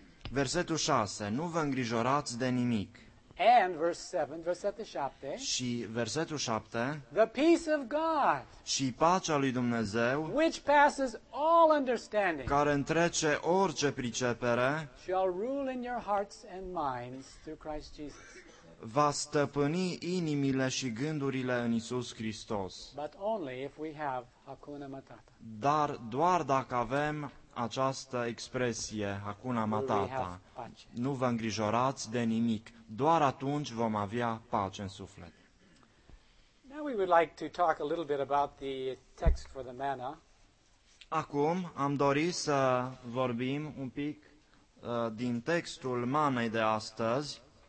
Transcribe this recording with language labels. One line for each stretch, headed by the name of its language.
Romanian: Versetul 6. Nu vă îngrijorați de nimic.
English: And verse 7,
Romanian: versetul 7. Și versetul 7.
English: The peace of God.
Romanian: Și pacea lui Dumnezeu.
English: Which passes all understanding.
Romanian: Care întrece orice pricepere.
English: Shall rule in your hearts and minds through Christ Jesus.
Romanian: Va stăpâni inimile și gândurile în Iisus Hristos.
English: But only if we have Hakuna Matata.
Romanian: Dar doar dacă avem această expresie, Hakuna Matata, nu vă îngrijorați de nimic, doar atunci vom avea pace în suflet.
English: Now we would like to talk a little bit about the text for the manna.
Romanian: Acum am dorit să vorbim un pic din textul manei de astăzi.